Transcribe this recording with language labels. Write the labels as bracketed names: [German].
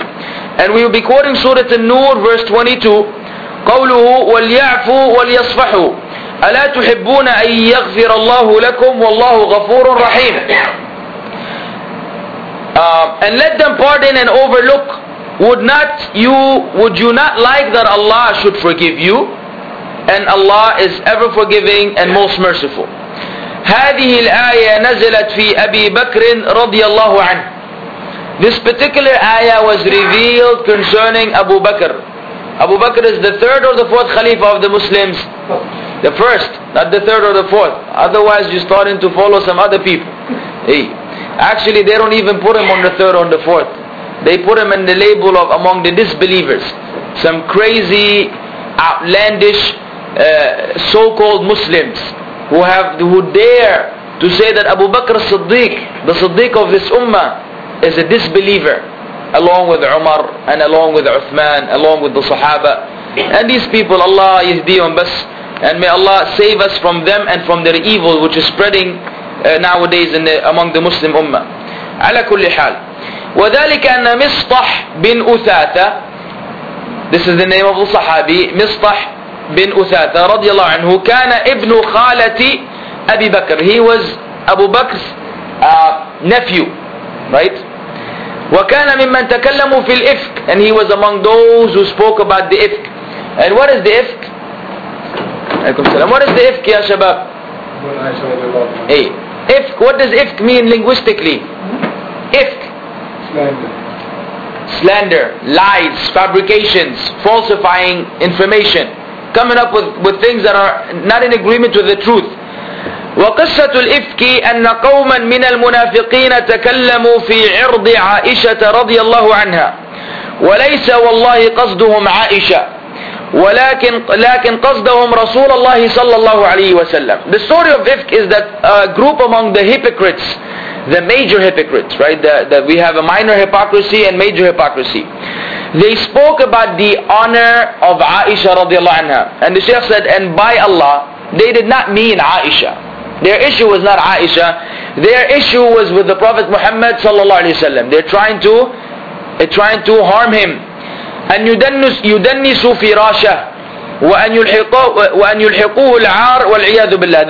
[English] And we will be quoting Surah An-Nur, verse 22. [Arabic] قَوْلُهُ وَلْيَعْفُوا وَلْيَصْفَحُوا أَلَا تُحِبُّونَ أَن يَغْفِرَ اللَّهُ لَكُمْ وَاللَّهُ غَفُورٌ رَحِيمٌ. [English] And let them pardon and overlook. Would you not like that Allah should forgive you? And Allah is ever forgiving and most merciful. [Arabic] هذه الآية نزلت في أبي بكر رضي الله عنه. [English] This particular ayah was revealed concerning Abu Bakr. Abu Bakr is the third or the fourth Khalifa of the Muslims. The first, not the third or the fourth. Otherwise, you're starting to follow some other people. Hey. Actually, they don't even put him on the third or the fourth. They put him in the label of among the disbelievers. Some crazy, outlandish, so-called Muslims. Who dare to say that Abu Bakr as-Siddiq, the Siddiq of this Ummah, is a disbeliever, along with Umar and along with Uthman, along with the Sahaba. And these people, [Arabic] Allah yahdihum bas, [English] and may Allah save us from them and from their evil, which is spreading nowadays among the Muslim Ummah. [Arabic] Ala kulli hal. وَذَلِكَ أَنَّ مِصْطَح بِنْ أُثَاثَ. [English] This is the name of the Sahabi, [Arabic] Mistah بن أثاثة رضي الله عنه كان ابن خالة أبي بكر. [English] He was Abu Bakr's nephew, right? [Arabic] وكان ممن تكلموا في الإفك. [English] And he was among those who spoke about the إفك. And what is the إفك? [Arabic] عليكم السلام. [English] What is the [Arabic] إفك يا شباب؟ أي إفك. [English] What does إفك mean linguistically? [Arabic] إفك [English] slander, lies, fabrications, falsifying information, coming up with things that are not in agreement with the truth. [Arabic] وَقِصَّةُ الْإِفْكِ أَنَّ قَوْمًا مِنَ الْمُنَافِقِينَ تَكَلَّمُوا فِي عِرْضِ عَائِشَةَ رَضِيَ اللَّهُ عَنْهَا. وليس والله قصدهم عائشة ولكن قصدهم رسول الله صلى الله عليه وسلم. [English] The story of Ifk is that a group among the hypocrites, the major hypocrites, right? That we have a minor hypocrisy and major hypocrisy. They spoke about the honor of Aisha radiallahu anha. And the Shaykh said, and by Allah, they did not mean Aisha. Their issue was not Aisha. Their issue was with the Prophet Muhammad sallallahu alayhi wa sallam. They're trying to harm him. [Arabic] أن يدنسوا فراشة وأن يلحقوه العار والعياذ بالله.